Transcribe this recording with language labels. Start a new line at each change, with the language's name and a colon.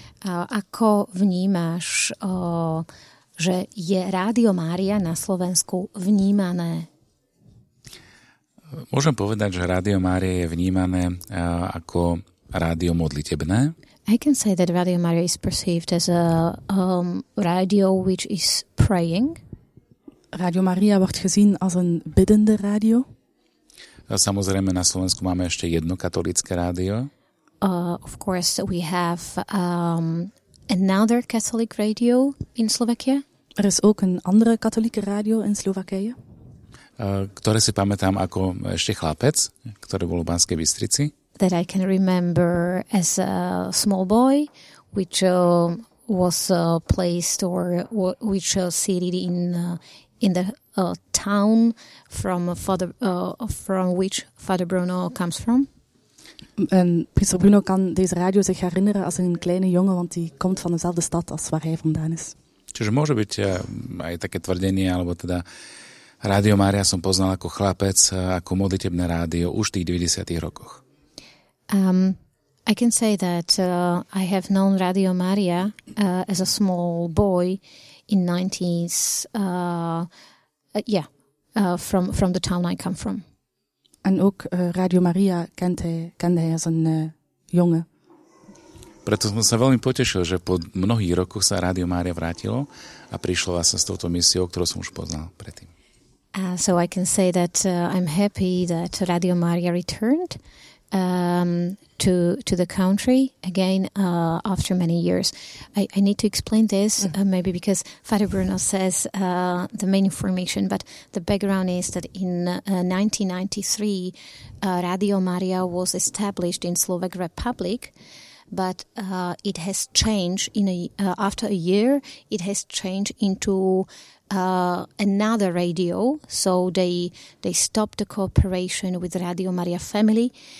Slovak: Ako vnímaš, že je Rádio Mária na Slovensku vnímané? Môžem povedať, že Rádio Mária je vnímané ako rádio modlitebné.
English: I can say that Rádio Mária is perceived as a radio which is praying.
Dutch: Rádio Mária wordt gezien als een biddende radio.
Slovak: Samozrejme, na Slovensku máme ešte jedno katolické rádio.
English: Of course, we have another Catholic radio in Slovakia.
Dutch: Er is ook een andere katholieke radio in Slovakije.
Slovak: Ktoré si pamätám ako ešte chlapec, ktoré bolo v Banskej Bystrici.
English: That I can remember as a small boy, which was placed or which seated in the town from which Father Bruno comes from.
Dutch: En priester Bruno kan deze radio zich herinneren als een kleine jongen, want die komt van dezelfde stad als waar hij vandaan is.
Slovak: Čiže môže byť aj také tvrdenie, alebo teda Rádio Mária som poznal ako chlapec, ako modlitebné rádio už v tých 90. rokoch.
English: I can say that I have known Radio Maria as a small boy in 90s, from the town I come from.
Dutch: En ook Radio Maria kende hij als een jongen.
Slovak: Preto som sa veľmi potešil, že po mnohých rokoch sa Radio Maria vrátilo a prišlo vlastne s touto misiou, ktorú som už poznal predtým.
English: So I can say that I'm happy that Radio Maria returned to the country again after many years. I need to explain this maybe because Father Bruno says the main information, but the background is that in 1993 Radio Maria was established in Slovak Republic, but it has changed after a year into another radio, so they stopped the cooperation with Radio Maria family.